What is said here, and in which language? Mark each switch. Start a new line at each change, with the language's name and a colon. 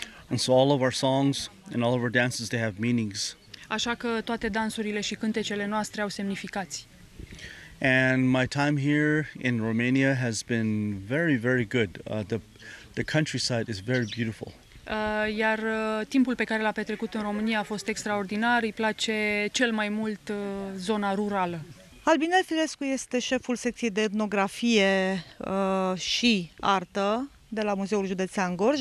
English: And so all of our songs and all of our dances, they have meanings.
Romanian: Așa că toate dansurile și cântecele noastre au semnificații.
English: And my time here in Romania has been very, very good. The countryside is very beautiful.
Romanian: Iar timpul pe care l-a petrecut în România a fost extraordinar, îi place cel mai mult zona rurală. Albinel Filescu este șeful secției de etnografie și artă de la Muzeul Județean Gorj.